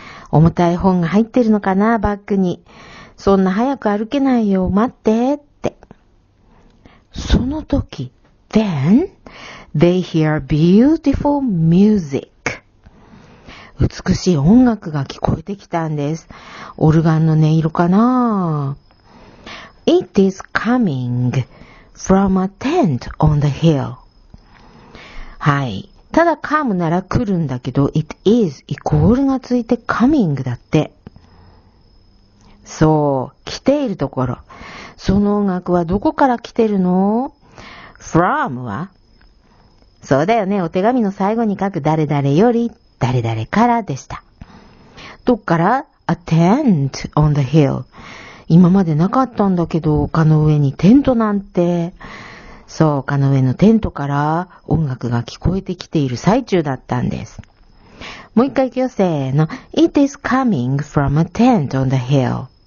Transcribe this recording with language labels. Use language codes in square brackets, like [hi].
[ja] 重たい本が入ってるのかな、バッグに。そんな早く歩けないよ、待ってって。その時、 [en] then, they hear beautiful music. [ja] 美しい音楽が聞こえてきたんです。オルガンの音色かな。 [en] It is coming from a tent on the hill. [ja] はい。ただ come なら来るんだけど、it is イコールがついて coming だって。そう、来ているところ。その音楽はどこから来てるの ?from は?そうだよね。お手紙の最後に書く誰々より誰々からでした。どっから ? [en] a tent on the hill。 [ja] 今までなかったんだけど、丘の上にテントなんて。そう、丘の上のテントから音楽が聞こえてきている最中だったんです。もう一回行くよ、せーの。 [en] It is coming from a tent on the hill.